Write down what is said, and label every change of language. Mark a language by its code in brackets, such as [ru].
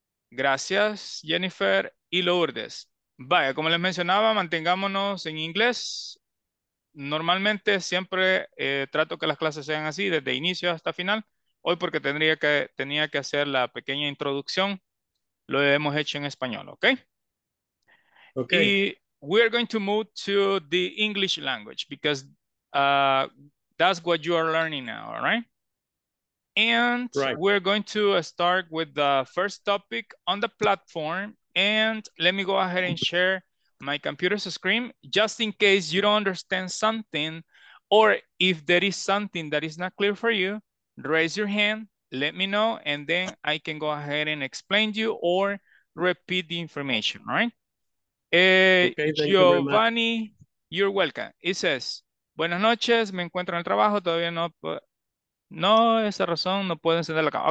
[es] Gracias, Jennifer y Lourdes. Vaya, como les mencionaba, mantengámonos en inglés. Normalmente siempre trato que las clases sean así, desde inicio hasta final. Hoy porque tenía que hacer la pequeña introducción, lo hemos hecho en español, ¿ok? Ok. [en] Y we're going to move to the English language because that's what you are learning now, all right? And right. We're going to start with the first topic on the platform. And let me go ahead and share my computer's screen just in case you don't understand something or if there is something that is not clear for you, raise your hand, let me know, and then I can go ahead and explain to you or repeat the information, right? Okay, Giovanni, you're welcome. It says, [es] buenas noches, me encuentro en el trabajo, todavía no... No, esa razón no puedo encender la cámara.